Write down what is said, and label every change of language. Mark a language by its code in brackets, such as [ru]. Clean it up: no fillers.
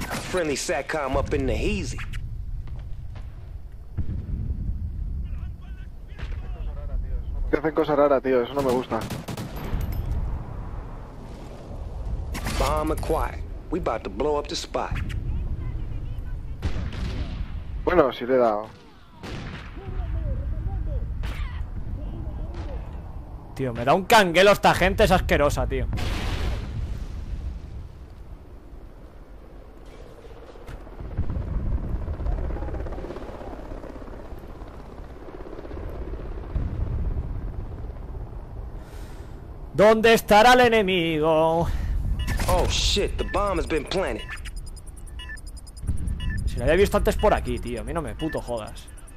[en] friendly SATCOM up in the Heezy. [es] Que hacen cosas raras, tío, eso no me gusta. [en] Bomb acquired. We about to blow up the spot. [es] Bueno, sí le he dado. Tío, me da un canguelo esta gente, es asquerosa, tío. ¿Dónde estará el enemigo? [en] Oh shit, the bomb has been planted. [es] Si lo había visto antes por aquí, tío, a mí no me puto jodas.